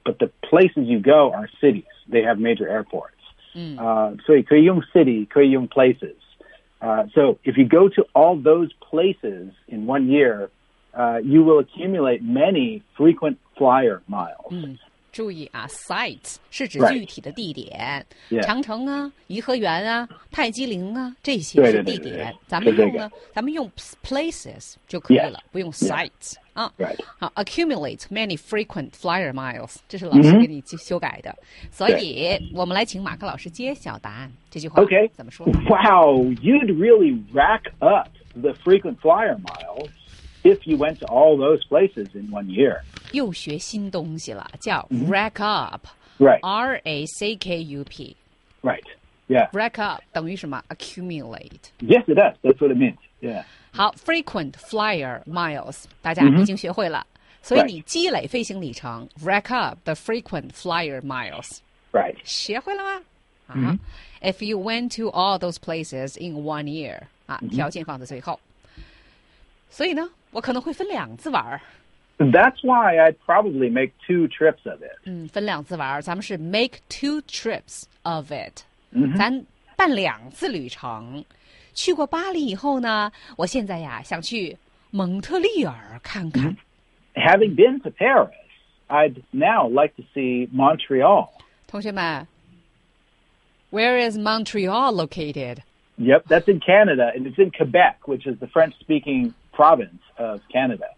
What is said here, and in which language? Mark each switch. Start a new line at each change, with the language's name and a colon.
English: But the places you go are cities. They have major airports.、
Chinese: 所以可以用
English: city,
Chinese: 可以用
English: places.、so if you go to all those places in one year,、you will accumulate many frequent flyer miles.、
Chinese: 注意啊 ，site 是指具体的地点，
English: right. yeah.
Chinese: 长城啊、颐和园啊、泰姬陵啊，这些是地点。对对对对咱们用呢、这个，咱们用 places 就可以了，
English: yeah.
Chinese: 不用 site、
English: yeah.
Chinese: 啊。
English: Right.
Chinese: 好 ，
English: accumulate many frequent flyer miles，
Chinese: 这是老师给你修改的。
English: Mm-hmm.
Chinese: 所以我们来请马克老师揭晓答案。这句话
English: OK
Chinese: 怎么说
English: ？Wow, you'd really rack up the frequent flyer miles if you went to all those places in one year.
Chinese: 又学新东西了，叫 rack up，
English: right， R A C K U P， right， yeah， rack up
Chinese: 等于什么？
English: accumulate， yes， it does， that's what it means， Yeah.
Chinese: 好 ，
English: frequent flyer miles，
Chinese: 大家已经学会了。
English: Mm-hmm.
Chinese: 所以你积累飞行里程 ，
English: rack up the frequent flyer miles。 Right.
Chinese: 学会了吗？啊、mm-hmm.
English: ，If you went to all those places in 1 year， 啊、mm-hmm. ，
Chinese: 条件放在最后。所以呢，我可能会分两次玩。
English: That's why I'd probably make 2 trips of it.
Chinese: 嗯，分两次玩，咱们是
English: make 2 trips of it.、 Mm-hmm.
Chinese: 咱办两次旅程。去过巴黎以后呢，我现在呀想去蒙特利尔看看。
English: Mm-hmm. Having been to Paris, I'd now like to see Montreal.
Chinese: 同学们
English: ，Where is Montreal located? Yep, that's in Canada, and it's in Quebec, which is the French-speaking province of Canada.